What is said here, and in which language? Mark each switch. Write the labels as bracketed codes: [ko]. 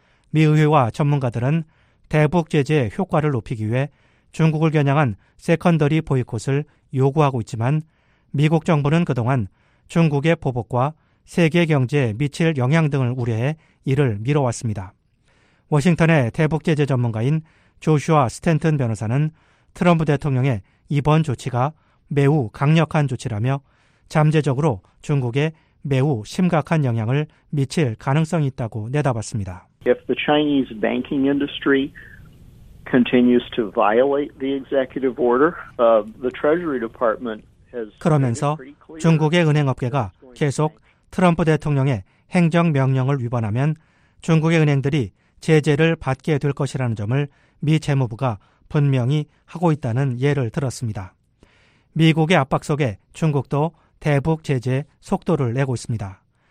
[ko] 미 의회와 전문가들은 대북 제재의 효과를 높이기 위해 중국을 겨냥한 세컨더리 보이콧을 요구하고 있지만 미국 정부는 그동안 중국의 보복과 세계 경제에 미칠 영향 등을 우려해 이를 미뤄왔습니다. 워싱턴의 대북 제재 전문가인 조슈아 스탠튼 변호사는 트럼프 대통령의 이번 조치가 매우 강력한 조치라며 잠재적으로 중국에 매우 심각한 영향을 미칠 가능성이 있다고 내다봤습니다. [en] If the Chinese banking industry continues to violate the executive order, the Treasury Department has [ko] 그러면서 중국의 은행 업계가 계속 트럼프 대통령의 행정 명령을 위반하면 중국의 은행들이 제재를 받게 될 것이라는 점을 미 재무부가 분명히 하고 있다는 예를 들었습니다. 미국의 압박 속에 중국도 대북 제재 속도를 내고 있습니다.